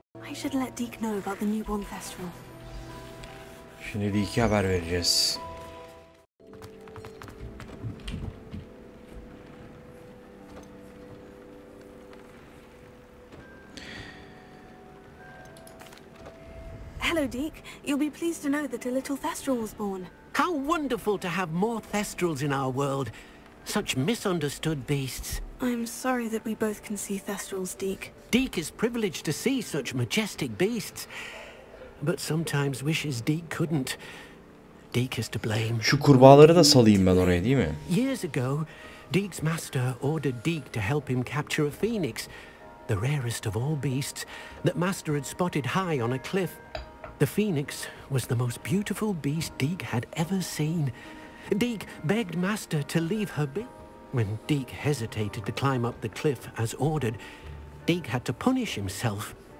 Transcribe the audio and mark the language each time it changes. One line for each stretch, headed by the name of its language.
English: I should let Deke know about the newborn festival.
Turkish: Şimdi Deke'e haber vereceğiz.
English: Hello, Deke. You'll be pleased to know that a little thestral was born. How wonderful to have more thestrals in our world. Such misunderstood beasts. I'm sorry that we both can see thestrals, Deke. Deke is privileged to see such majestic beasts. But sometimes wishes Deke couldn't. Deke is to blame.
Turkish: Şu kurbağaları da salayım ben oraya, değil mi?
English: Years ago, Deke's master ordered Deke to help him capture a phoenix. The rarest of all beasts that Master had spotted high on a cliff. The phoenix was the most beautiful beast Deke had ever seen. Deke begged Master to leave her be. When Deke hesitated to climb up the cliff as ordered, Deke had to punish himself